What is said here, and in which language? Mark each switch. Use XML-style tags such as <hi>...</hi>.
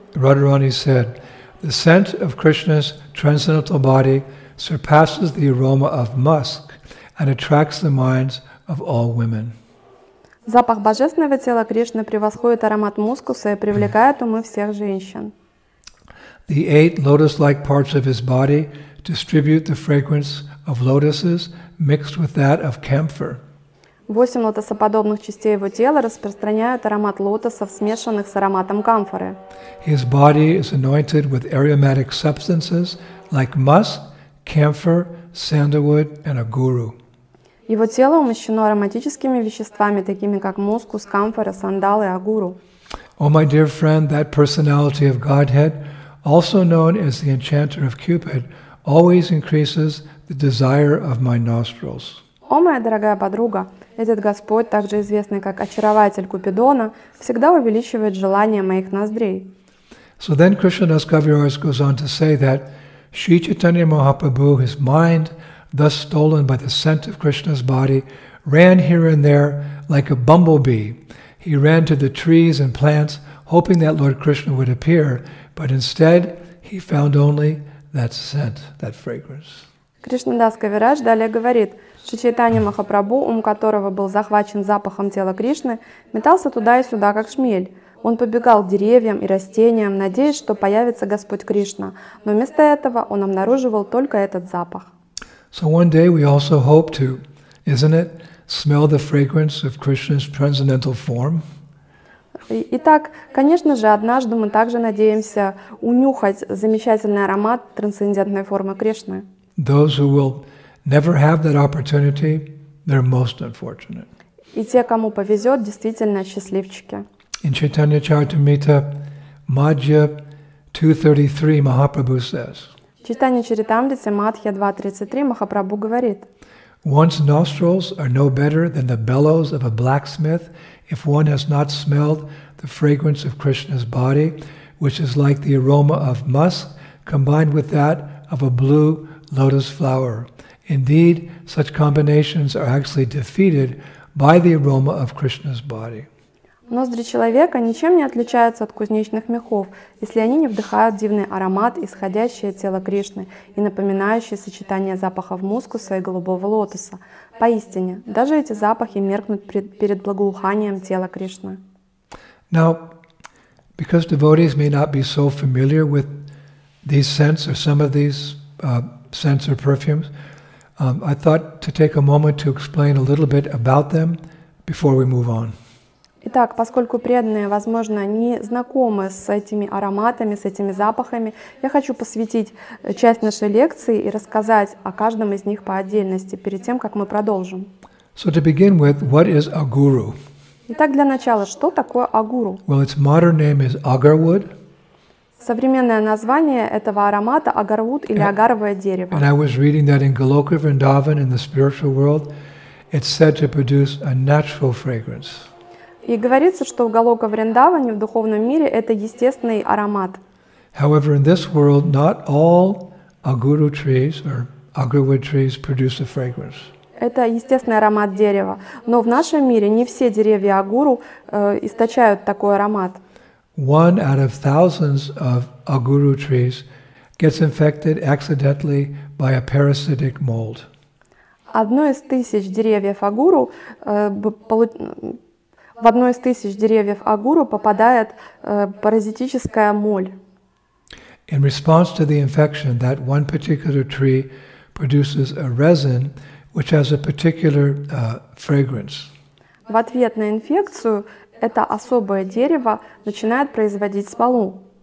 <en>Radharani said, "The scent of Krishna's transcendental body surpasses the aroma of musk and attracts the minds of all women."</en> <ru>Запах божественного тела Кришны превосходит аромат мускуса и привлекает умы всех женщин.</ru> <en>The eight lotus-like parts of his body distribute the fragrance of lotuses mixed with that of camphor.</en> <ru>Восемь лотосоподобных частей его тела распространяют аромат лотосов, смешанных с ароматом камфоры.</ru> <en>His body is anointed with aromatic substances like musk, camphor, sandalwood, and aguru.</en> <ru>Его тело умощено ароматическими веществами, такими как мускус, камфора, сандал и агуру.</ru> <en>О, my dear friend, that personality of Godhead, also known as the enchanter of Cupid, always increases the desire of my nostrils.</en> <ru>О, моя дорогая подруга, этот Господь, также известный как очарователь Купидона, всегда увеличивает желание моих ноздрей.</ru> <en>So then Krishnadas Kaviraj goes on to say that Sri Chaitanya Mahaprabhu, his mind, thus stolen by the scent of Krishna's body, ran here and there like a bumblebee. He ran to the trees and plants, hoping that Lord Krishna would appear, but instead he found only that scent, that fragrance.</en> <ru>Кришна Дас Кавирадж далее говорит, что Чайтанья Махапрабху, ум которого был захвачен запахом тела Кришны, метался туда и сюда, как шмель. Он побегал к деревьям и растениям, надеясь, что появится Господь Кришна, но вместо этого он обнаруживал только этот запах.</ru> <en>So one day we also hope to, isn't it, smell the fragrance of Krishna's transcendental form?</en> <ru>Итак, конечно же, однажды мы также надеемся унюхать замечательный аромат трансцендентной формы Кришны.</ru> <en>Those who will never have that opportunity, they're most unfortunate.</en> <ru>И те, кому повезет, действительно счастливчики.</ru> <en>In Chaitanya Charitamrita, Madhya 2.33, Mahaprabhu says,</en> <ru>Chaitanya Charitamrita, Madhya 2.33, Mahaprabhu говорит,</ru> <en>One's nostrils are no better than the bellows of a blacksmith if one has not smelled the fragrance of Krishna's body, which is like the aroma of musk combined with that of a blue lotus flower. Indeed, such combinations are actually defeated by the aroma of Krishna's body.</en> <ru>Ноздри человека ничем не отличаются от кузнечных мехов, если они не вдыхают дивный аромат, исходящий от тела Кришны и напоминающий сочетание запахов мускуса и голубого лотоса. Поистине, даже эти запахи меркнут перед благоуханием тела Кришны.</ru> <en>Now, because devotees may not be so familiar with these scents or some of these scents or perfumes, I thought to take a moment to explain a little bit about them before we move on.</en> <ru>Итак, поскольку преданные, возможно, не знакомы с этими ароматами, с этими запахами, я хочу посвятить часть нашей лекции и рассказать о каждом из них по отдельности, перед тем, как мы продолжим.</ru> <en>So to begin with, what is a guru?</en> <ru>Итак, для начала, что такое агуру?</ru> <en>Well, its modern name is agarwood.</en> <ru>Современное название этого аромата – агарвуд или агаровое дерево.</ru> <en>And I was reading that in Goloka Vrindavan, in the spiritual world, it's said to produce a natural fragrance.</en> <ru>И говорится, что в Голока Вриндаване, в духовном мире, это естественный аромат.</ru> <en>However, in this world, not all aguru trees or agarwood trees produce a fragrance.</en> <ru>Это естественный аромат дерева. Но в нашем мире не все деревья агуру источают такой аромат.</ru> <en>One out of thousands of aguru trees gets infected accidentally by a parasitic mold.</en> <ru>Одно из тысяч деревьев агуру В одно из тысяч деревьев агуру попадает паразитическая моль.</ru> <en>In response to the infection, that one particular tree produces a resin which has a particular fragrance.</en> <ru>В ответ на инфекцию это особое дерево начинает производить смолу.</ru>